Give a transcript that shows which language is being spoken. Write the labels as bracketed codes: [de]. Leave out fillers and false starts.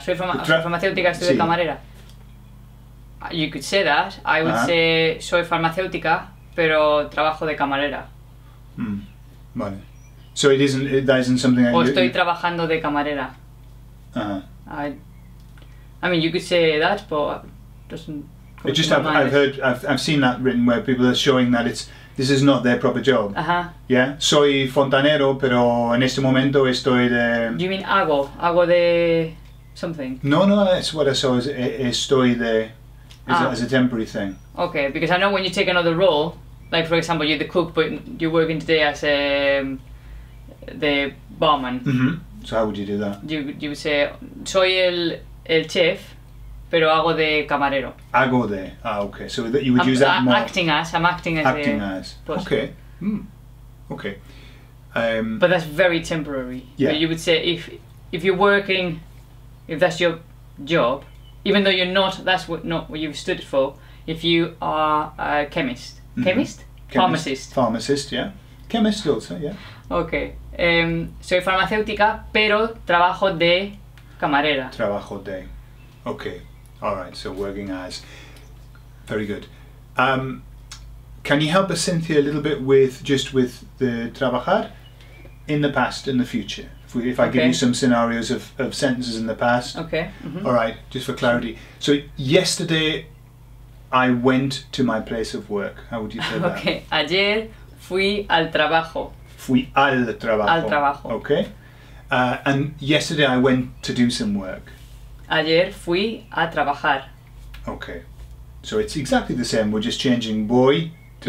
[es] Soy farmacéutica, estoy sí. de camarera. [en] You could say that. I would say [es] soy farmacéutica, pero trabajo de camarera. [en] Mm. [es] Vale. [en] So it isn't something [es] I... O estoy trabajando de camarera. Uh-huh. [en] I mean, you could say that, but it doesn't... It just I've seen that written where people are showing that it's... This is not their proper job. Uh-huh. Yeah? [es] Soy fontanero, pero en este momento estoy de... [en] You mean [es] hago? Hago de [en] something? No, that's what I saw. [es] Estoy de... [en] As a temporary thing. Okay, because I know when you take another role, like for example, you're the cook, but you're working today as the barman. Mm-hmm. So how would you do that? You would say, [es] soy el chef, pero hago de camarero. Hago de, okay. [en] So that you would use that more. I'm acting as. Okay. Mm. Okay. But that's very temporary. Yeah. But you would say if you're working, if that's your job, even though you're not, that's not what you've stood for. If you are a chemist, mm-hmm. Pharmacist, yeah. Chemist also, yeah. Okay. [es] Soy farmacéutica, pero trabajo de camarera. Trabajo de. Okay. [en] All right, so working as, very good. Can you help us, Cynthia, a little bit with the trabajar in the past and the future? If I give you some scenarios of sentences in the past. Okay. Mm-hmm. All right, just for clarity. So yesterday I went to my place of work. How would you say that? [es] Okay, ayer fui al trabajo. Fui al trabajo. Al trabajo. [en] Okay. And yesterday I went to do some work. [es] Ayer fui a trabajar. [en] Okay. So it's exactly the same. We're just changing voy to